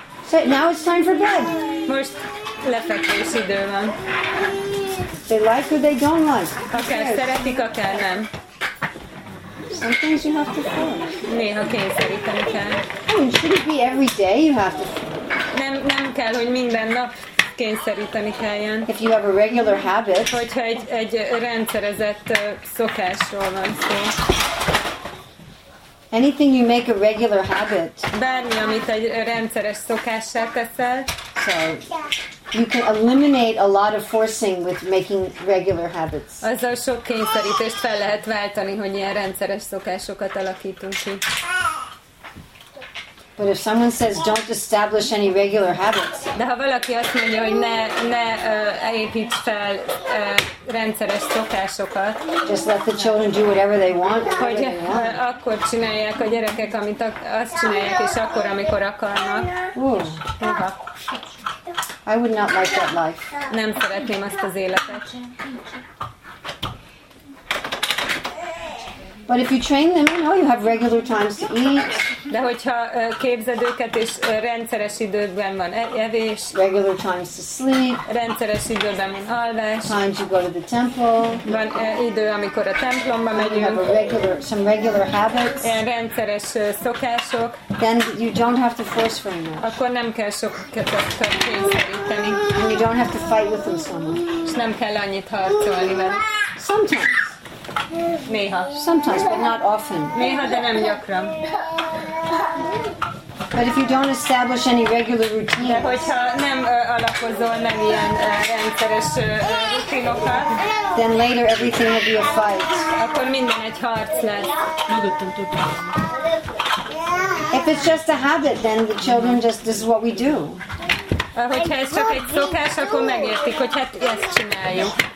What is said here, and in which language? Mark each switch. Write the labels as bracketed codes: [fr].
[en] So now it's time for bed. [hu] Most lefekvés idő van. [en] They like or they don't like. [hu] Akár szeretik, akár nem. [en] Some things you have to force. [hu] Néha kényszeríteni kell. [en] I mean, should it be every day you have to force? [hu] Nem kell, hogy minden nap kényszeríteni kelljen. [en] If you have a regular habit. [hu] Hogyha egy rendszerezett szokásról van szó. [en] Anything you make a regular habit. [hu] Bármi, amit egy rendszeres szokássá teszel. [en] So, you can eliminate a lot of forcing with making regular habits. [hu] Azzal sok kényszerítést fel lehet váltani, hogy ilyen rendszeres szokásokat alakítunk ki. [en] But if someone says don't establish any regular habits. [hu] De ha valaki azt mondja, hogy ne építs fel rendszeres szokásokat. [en] Just let the children do whatever they want. [hu] Hogy akkor csinálják a gyerekek, amit azt csinálják, és akkor, amikor akarnak. [en] I would not like that life. [hu] Nem szeretném azt az életet. [en] But if you train them, you know, you have regular times to eat. [hu] De hogyha képzed őket, és rendszeres időben van evés. [en] Regular times to sleep. [hu] Rendszeres időben van alvás. [en] Times you go to the temple. [hu] Van idő, amikor a templomba megyünk. [en] You have some regular habits. [hu] Ilyen rendszeres szokások. [en] Then you don't have to force very much. [hu] Akkor nem kell sokat kényszeríteni. [en] And you don't have to fight with them so much. [hu] És nem kell annyit harcolni vele. [en] Sometimes. [hu] Néha. [en] Sometimes, but not often. [hu] Néha, de nem gyakran. [en] But if you don't establish any regular routines. [hu] Hogyha nem alapozol meg ilyen rendszeres rutinokat. [en] Then later everything will be a fight. [hu] Akkor minden egy harc lesz. [en] If it's just a habit, then the children just, this is what we do. [hu] Hogyha ez csak egy szokás, akkor megértik, hogy hát ezt csináljuk.